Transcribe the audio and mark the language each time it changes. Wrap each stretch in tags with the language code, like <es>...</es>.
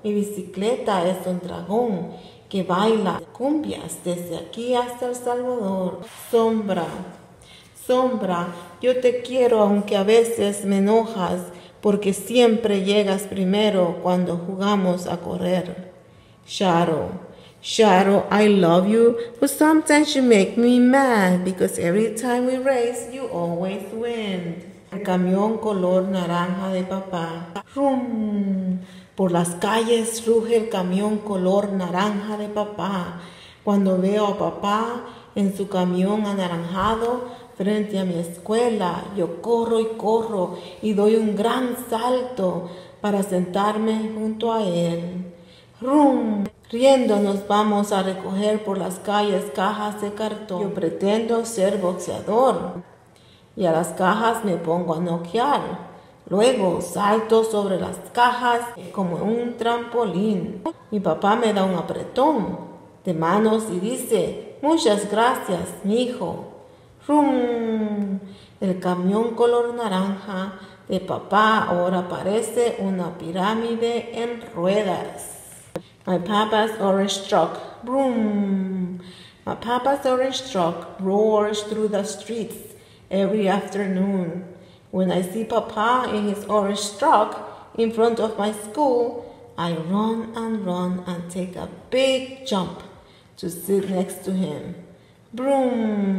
<es>Mi bicicleta es un dragón que baila cumbias desde aquí hasta El Salvador. Sombra, sombra, yo te quiero aunque a veces me enojas porque siempre llegas primero cuando jugamos a correr.</es> <en>Shadow, shadow, I love you, but sometimes you make me mad because every time we race, you always win.</en> <es>El camión color naranja de papá. Rum. Por las calles ruge el camión color naranja de papá. Cuando veo a papá en su camión anaranjado frente a mi escuela, yo corro y corro y doy un gran salto para sentarme junto a él. Rum. Riendo nos vamos a recoger por las calles cajas de cartón. Yo pretendo ser boxeador y a las cajas me pongo a noquear. Luego salto sobre las cajas como un trampolín. Mi papá me da un apretón de manos y dice, muchas gracias, mijo. ¡Rum! El camión color naranja de papá ahora parece una pirámide en ruedas.</es> <en>My papa's orange truck. ¡Rum! My papa's orange truck roars through the streets every afternoon. When I see papa in his orange truck in front of my school, I run and run and take a big jump to sit next to him. Broom!</en>